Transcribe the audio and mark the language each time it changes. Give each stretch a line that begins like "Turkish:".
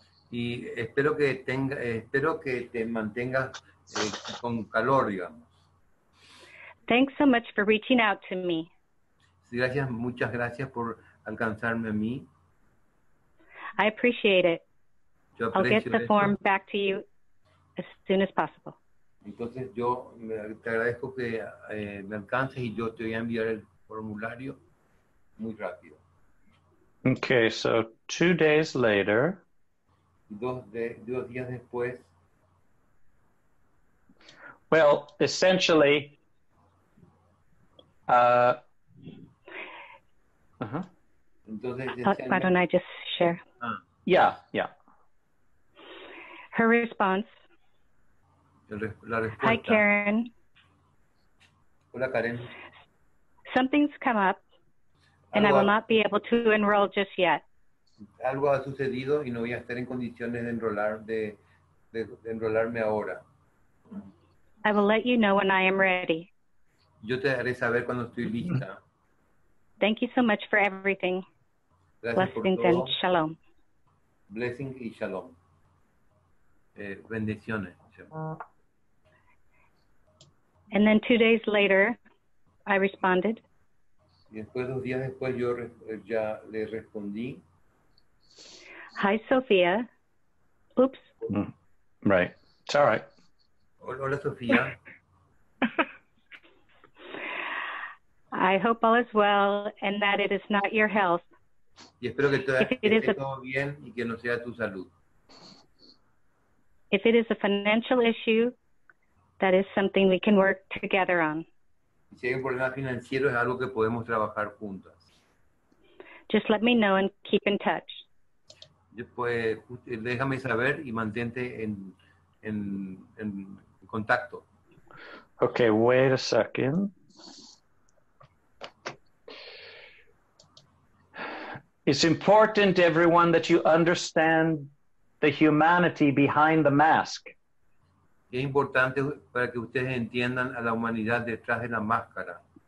Spanish: Y espero que tenga, espero que te mantengas con calor, digamos.
English: Thanks so much for reaching out to me.
Spanish: Sí, gracias, muchas gracias por alcanzarme a mí.
English: I appreciate it. I'll get the form back to you as soon as possible.
Spanish: Entonces, yo te agradezco que me alcances y yo te voy a enviar el formulario muy rápido.
English: Okay, so 2 days later.
Spanish: Dos días después.
English: Well, essentially. Why don't I just share? Yeah. Her response.
Spanish: La respuesta.
English: Hi, Karen.
Spanish: Hola, Karen.
English: Something's come up, and I will not be able to enroll just yet.
Spanish: Algo ha sucedido y no voy a estar en condiciones de enrolar de enrolarme ahora.
English: I will let you know when I am ready.
Spanish: Yo te haré saber cuando estoy lista.
English: Thank you so much for everything.
Spanish: Gracias.
English: Blessings
Spanish: por todo.
English: And shalom.
Spanish: Blessing y shalom. Bendiciones.
English: And then 2 days later, I responded.
Spanish: Y después, 2 días después, yo ya le respondí.
English: Hi, Sophia. Oops. Right. It's all right.
Spanish: Hola, Sophia.
English: I hope all is well and that it is not your health
Spanish: Y espero que todo esté todo bien y que no sea tu salud.
English: If it is a financial issue, that is something we can work together on.
Spanish: Si hay un problema financiero, es algo que podemos trabajar juntas.
English: Just let me know and keep in touch.
Spanish: Después, déjame saber y mantente en contacto.
English: Okay, wait a second. It's important, everyone, that you understand the humanity behind the mask.
Spanish: Es importante para que ustedes entiendan a la humanidad detrás de la máscara.